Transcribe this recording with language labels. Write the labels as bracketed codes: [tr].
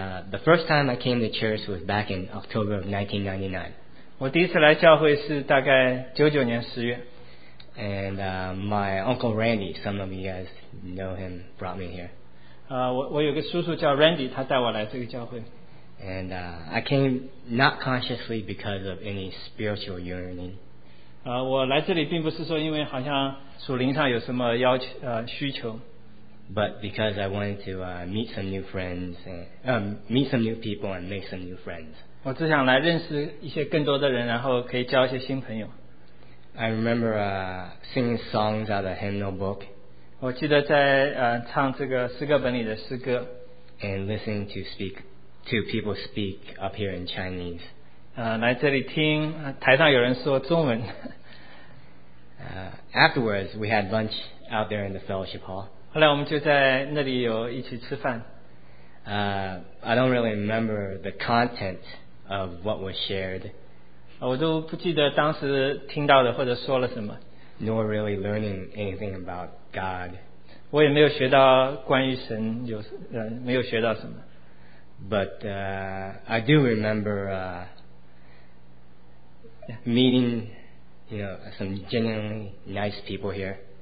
[en] The first time I came to church was back in October of 1999. [zh] 我第一次来教会是大概99年10月。 [en] And my uncle Randy, some of you guys know him, brought me here. [zh] 我有个叔叔叫 Randy, 他带我来这个教会。 [en] And I came not consciously because of any spiritual yearning. [zh] 我来这里并不是说因为好像属灵上有什么要求需求。 [en] But because I wanted to meet some new friends and meet some new people and make some new friends. [zh] 我只想来认识一些更多的人，然后可以交一些新朋友。 [en] I remember singing songs out of the hymnal book. [zh] 我记得在唱这个诗歌本里的诗歌 [en] and listening to people speak up here in Chinese. [zh] 来这里听台上有人说中文。 [en] Afterwards, we had lunch out there in the fellowship hall. [zh] 后来我们就在那里有一起吃饭。 [en] I don't really remember the content of what was shared. [zh] 我都不记得当时听到的或者说了什么。 [en] Nor really learning anything about God. [zh] 我也没有学到关于神，没有学到什么。 [en] But I do remember meeting, some genuinely nice people here.